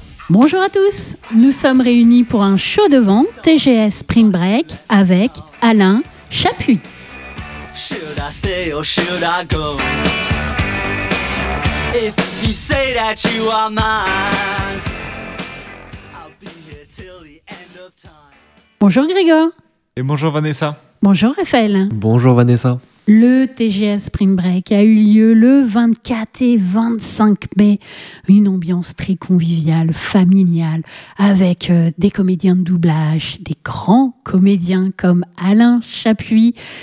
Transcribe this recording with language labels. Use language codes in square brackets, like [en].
[fr] Bonjour à tous, nous sommes réunis pour un show de vent TGS Spring Break avec Alain Chapuis. [en] Should I stay or should I go? If you say that you are mine, I'll be here till the end of time. [fr] Bonjour Grégor. Et bonjour Vanessa. Bonjour Raphaël. Bonjour Vanessa. Le TGS Spring Break a eu lieu le 24 et 25 mai. Une ambiance très conviviale, familiale, avec des comédiens de doublage, des grands comédiens comme Alain Chapuis.